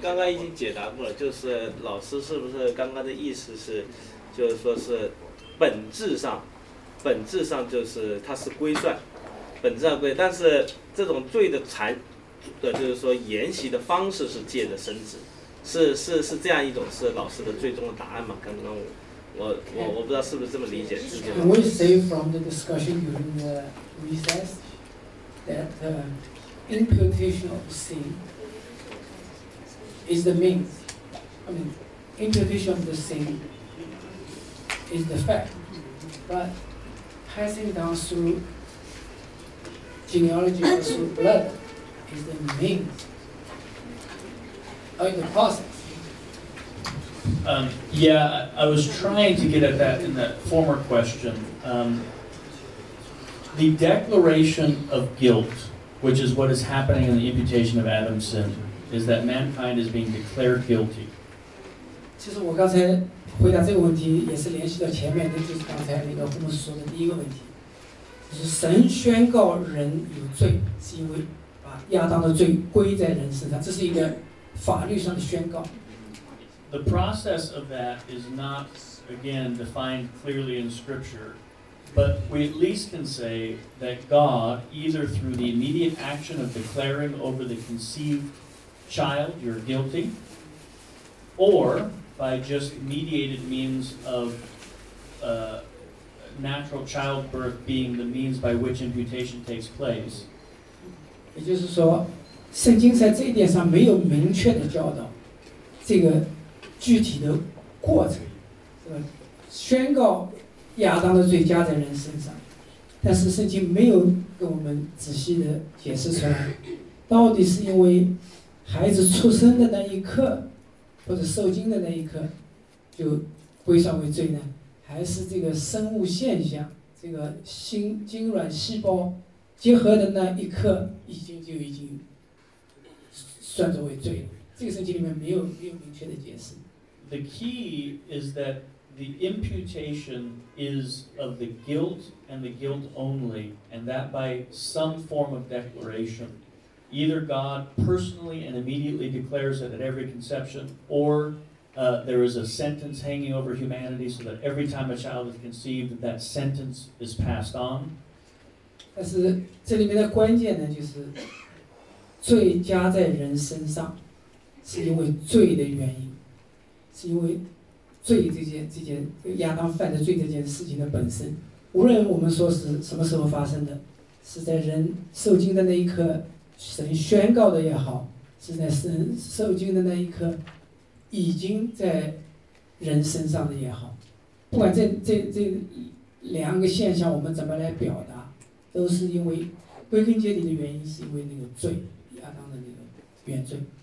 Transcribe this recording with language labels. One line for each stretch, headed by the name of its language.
Chinese: 刚才已经解答过了，就是老师是不是刚刚的意思是，就是说是本质上就是它是归算，本质上归，但是这种罪的残的，就是说沿袭的方式是借着生殖，是这样一种是老师的最终的答案吗？刚刚我不知道是不是这么理解，是这样。
English: Can we say from the discussion during the recess that imputation of sin is the means? I mean, imputation of the sin is the fact, but passing down through genealogy or through blood is the means or the process. I was trying to get at that in that former question. The declaration of guilt, which is what is happening in the imputation of Adam's sin, is that mankind is being declared guilty.
Chinese: 其实我刚才回答这个问题也是联系到前面的，就是刚才那个护牧师说的第一个问题，就是神宣告人有罪，是因为把亚当的罪归在人身上，这是一个法律上的宣告。
English: The process of that is not, again, defined clearly in Scripture, but we at least can say that God, either through the immediate action of declaring over the conceived child you're guilty, or by just mediated means of natural childbirth being the means by which imputation takes place.
Chinese: 也就是说，圣经在这一点上没有明确的教导这个具体的过程，宣告亚当的罪加在人身上，但是圣经没有给我们仔细的解释出来，到底是因为孩子出生的那一刻，或者受精的那一刻，就归算为罪呢？还是这个生物现象，这个心精卵细胞结合的那一刻，已经算作为罪了？这个圣经里面没有明确的解释。
English: The key is that the imputation is of the guilt and the guilt only, and that by some form of declaration. Either God personally and immediately declares it at every conception, or there is a sentence hanging over humanity so that every time a child is conceived, that sentence is passed on.
Chinese: 但是这里面的关键呢，就是罪加在人身上，是因为罪的原因。是因为罪这件亚当犯的罪这件事情的本身，无论我们说是什么时候发生的，是在人受精的那一刻神宣告的也好，是在神受精的那一刻已经在人身上的也好，不管这两个现象我们怎么来表达，都是因为归根结底的原因是因为那个罪，亚当的那个原罪。